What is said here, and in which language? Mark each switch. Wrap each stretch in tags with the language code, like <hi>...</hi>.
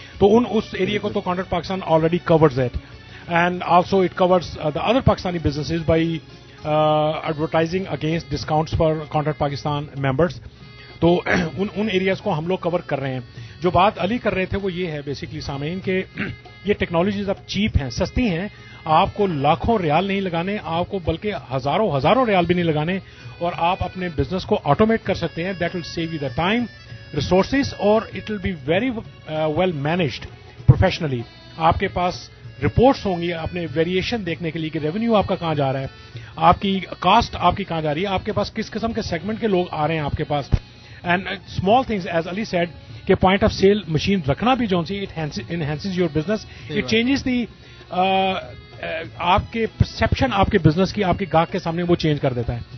<en>تو ان اس ایریا کو تو contract Pakistan already covers it, and also it covers the other Pakistani businesses by advertising against discounts for contract Pakistan members.</en> <ur>تو ان areas کو ہم لوگ کور کر رہے ہیں. جو بات علی کر رہے تھے وہ یہ ہے بیسیکلی سامعین کہ یہ ٹیکنالوجیز اب چیپ ہیں, سستی ہیں, آپ کو لاکھوں ریال نہیں لگانے, آپ کو بلکہ ہزاروں ریال بھی نہیں لگانے, اور آپ اپنے بزنس کو آٹومیٹ کر سکتے ہیں.</ur> <en>That will save you the time resources اور it will be very well managed professionally.</en> <ur>آپ کے پاس رپورٹس ہوں گی اپنے ویریشن دیکھنے کے لیے کہ ریونیو آپ کا کہاں جا رہا ہے, آپ کی کاسٹ آپ کی کہاں جا رہی ہے, آپ کے پاس کس قسم کے سیگمنٹ کے لوگ آ رہے ہیں آپ کے پاس,</ur> <en>and small things as Ali said</en> <ur>کہ پوائنٹ آف سیل مشین رکھنا بھی</ur> <en>جو enhances your business, it changes the</en> <ur>آپ کے پرسپشن آپ کے بزنس کی, آپ کے گاہک کے سامنے وہ چینج کر دیتا ہے.</ur>